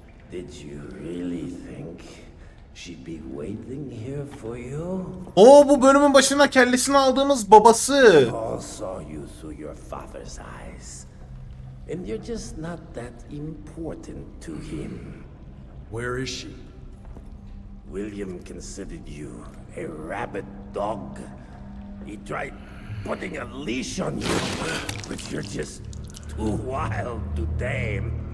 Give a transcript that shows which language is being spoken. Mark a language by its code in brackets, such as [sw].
[en] Did you really think she'd be waiting here for you? [tr] Oo, bu bölümün başına kellesini aldığımız babası. [en] All saw you through your father's eyes. And you're just not that important to him. Where is she? William considered you a rabid dog. He tried putting a leash on you, but you're just too wild to tame.